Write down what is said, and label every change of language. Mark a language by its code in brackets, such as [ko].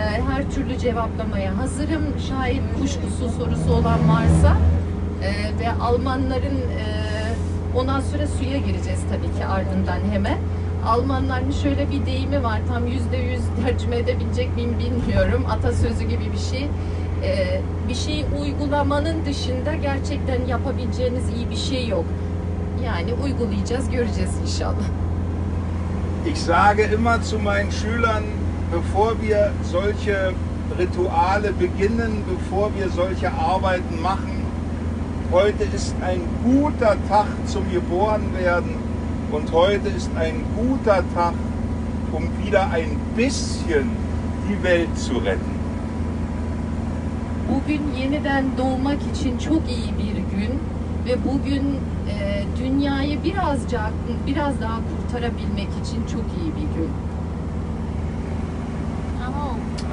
[tr] Her türlü cevaplamaya hazırım. Şayet kuşkusuz sorusu olan varsa ve Almanların ondan sonra suya gireceğiz tabii ki ardından hemen. Almanların şöyle bir deyimi var, tam %100 tercüme edebilecek miyim bilmiyorum, atasözü gibi bir şey. Bir şeyi uygulamanın dışında gerçekten yapabileceğiniz iyi bir şey yok. Yani uygulayacağız, göreceğiz inşallah. [de] Ich sage immer zu meinen Schülern, bevor wir solche Rituale beginnen, bevor wir solche Arbeiten machen, heute ist ein guter Tag zum Geborenwerden und heute ist ein guter Tag, um wieder ein bisschen die Welt zu retten. [tr] Bugün yeniden doğmak için çok iyi bir gün ve bugün dünyayı birazcık biraz daha kurtarabilmek için çok iyi bir gün.